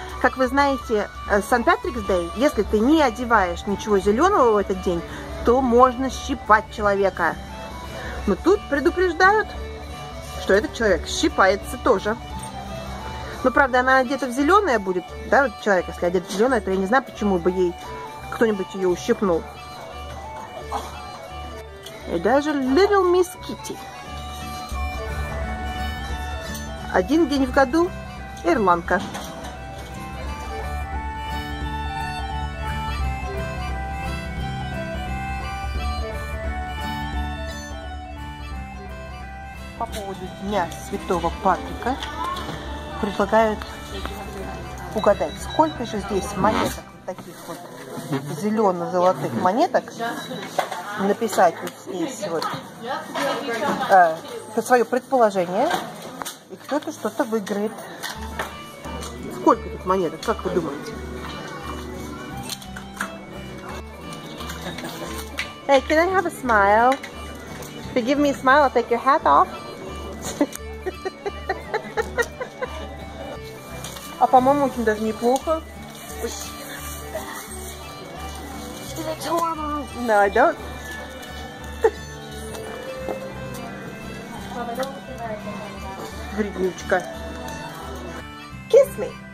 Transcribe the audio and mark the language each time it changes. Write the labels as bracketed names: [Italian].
[Russian] Как вы знаете, Сан-Патрикс Дэй, если ты не одеваешь ничего зеленого в этот день, то можно щипать человека. Но тут предупреждают, что этот человек щипается тоже. Но, правда, она одета в зеленое будет. Да, вот человек, если одет в зеленое, то я не знаю, почему бы ей кто-нибудь ее ущипнул. И даже Little Miss Kitty. Один день в году — ирландка. По поводу Дня Святого Патрика предлагают угадать, сколько же здесь монеток, вот таких вот зелено-золотых монеток, написать вот здесь вот свое предположение, и кто-то что-то выиграет. Сколько тут монеток, как вы думаете? [English] Hey, can I have a smile? If you give me a smile, I'll take your hat off. [Russian] А по-моему, очень даже неплохо. [English] No, I don't. [Russian] Вредничка. [English] Kiss me.